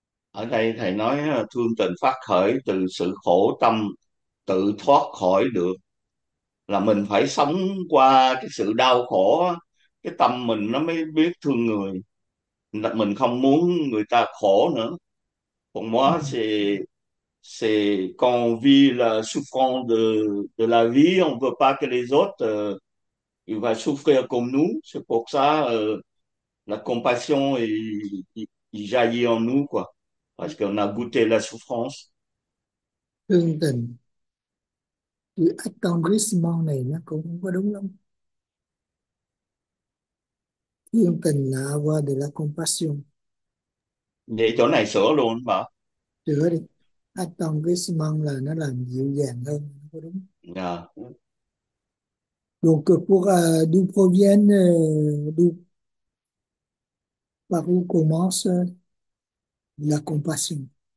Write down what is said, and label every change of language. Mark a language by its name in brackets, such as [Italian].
[Vietnamese] Ở đây thầy nói thương tình phát khởi từ sự khổ tâm tự thoát khỏi được, là mình phải sống qua cái sự đau khổ, cái tâm mình nó mới biết thương người, mình không muốn người ta khổ nữa. [French] Pour moi c'est qu'on vit la souffrance de la vie, on veut pas que les autres ils va souffrir comme nous, c'est pour ça la compassion il jaillit en nous quoi. Parce qu'on a goûté la souffrance. [Vietnamese] Thương tình chữ attendrissement này nó cũng không có đúng lắm. Thương tình là [French] avoir de la compassion. [Vietnamese] Vậy chỗ này sửa luôn bảo. Chữa đi. Attendrissement là nó làm dịu dàng hơn, không có đúng. [French] Donc pour d'où proviennent d'où par où commence la compassion.